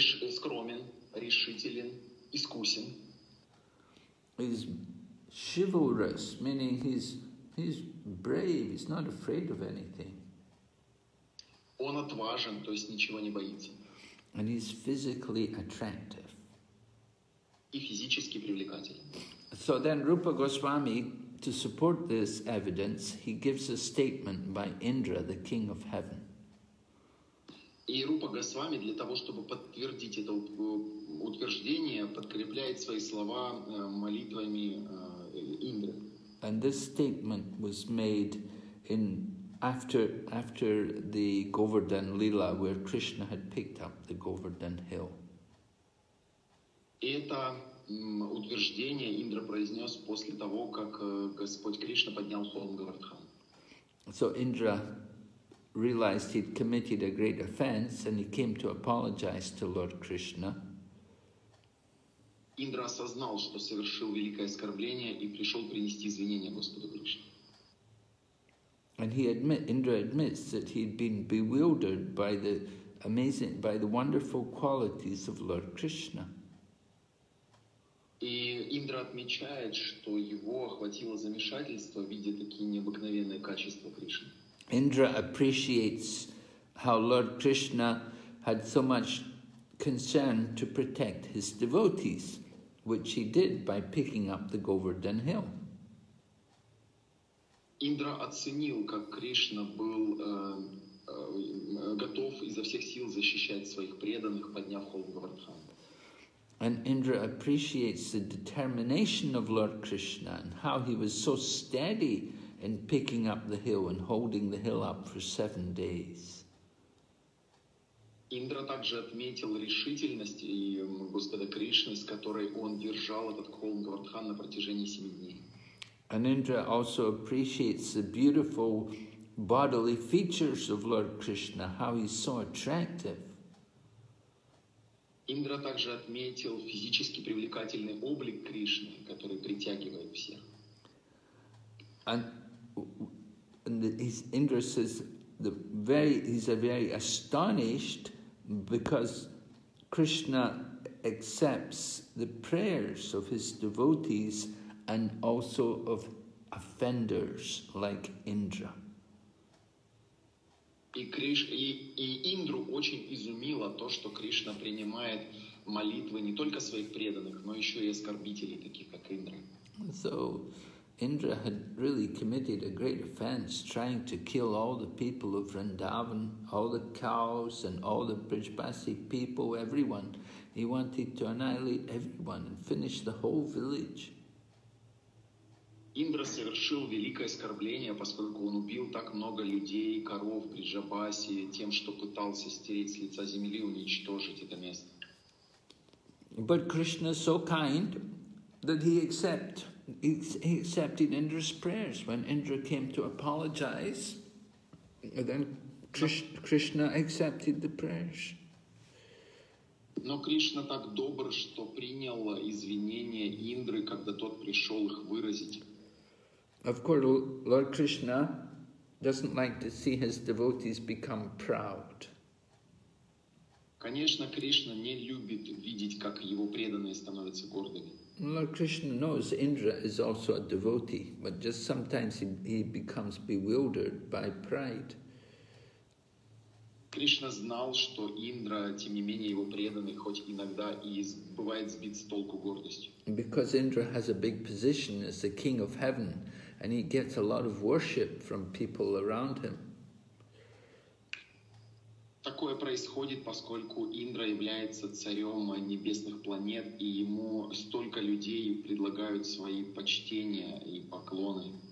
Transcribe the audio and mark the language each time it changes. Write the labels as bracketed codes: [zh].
[ru] Скромен, решителен, искусен. [en] He's chivalrous, meaning he's brave, he's not afraid of anything. [ru] Он отважен, то есть ничего не боится. [en] And he's physically attractive. [ru] И физически привлекателен. [en] So then Rupa Goswami, to support this evidence, he gives a statement by Indra, the king of heaven. [ru] И Рупа Госвами для того, чтобы подтвердить это утверждение, подкрепляет свои слова молитвами Индры. [en] And this statement was made in after the Govardhan Lila, where Krishna had picked up the Govardhan Hill. [ru] Это утверждение Индра произнес после того, как Господь Кришна поднял холм Говардхан. [en] So Indra realized he'd committed a great offense and he came to apologize to Lord Krishna. [ru] Индра осознал, что совершил великое оскорбление и пришел принести извинения Господу Кришне. [en] And Indra admits that he'd been bewildered by the amazing, by the wonderful qualities of Lord Krishna. [ru] И Индра отмечает, что его охватило замешательство, видя такие необыкновенные качества Кришны. [en] Indra appreciates how Lord Krishna had so much concern to protect his devotees, which he did by picking up the Govardhan Hill. [ru] Индра оценил, как Кришна был готов изо всех сил защищать своих преданных, подняв холм Говардхан. [en] And Indra appreciates the determination of Lord Krishna and how he was so steady in picking up the hill and holding the hill up for 7 days. [ru] Индра также отметил решительность и Господа Кришны, с которой он держал этот холм Говардхан на протяжении 7 дней. [en] And Indra also appreciates the beautiful bodily features of Lord Krishna, how he's so attractive. [ru] Индра также отметил физически привлекательный облик Кришны, который притягивает всех. [en] Индра says he's a very astonished because Krishna accepts the prayers of his devotees and also of offenders like Indra. [ru] И Индру очень изумило то, что Кришна принимает молитвы не только своих преданных, но еще и оскорбителей, таких как Индра. [en] So, Indra had really committed a great offense, trying to kill all the people of Vrindavan, all the cows and all the Brijbasi people, everyone. He wanted to annihilate everyone and finish the whole village. [ru] Индра совершил великое оскорбление, поскольку он убил так много людей, коров, Бриджабаси, тем, что пытался стереть с лица земли, уничтожить это место. [en] But Krishna so kind that he accepted Indra's prayers. When Indra came to apologize, then Krishna accepted the prayers. [ru] Но Кришна так добр, что принял извинения Индры, когда тот пришел их выразить. [en] Of course, Lord Krishna doesn't like to see his devotees become proud. [ru] Конечно, Кришна не любит видеть, как его преданные становятся гордыми. [en] Lord Krishna knows Indra is also a devotee, but just sometimes he becomes bewildered by pride. [ru] Кришна знал, что Индра, тем не менее, его преданный, хоть иногда и бывает сбит с толку гордостью. [en] Because Indra has a big position as the king of heaven, and he gets a lot of worship from people around him. [ru] Такое происходит, поскольку Индра является царем небесных планет, и ему столько людей предлагают свои почтения и поклоны.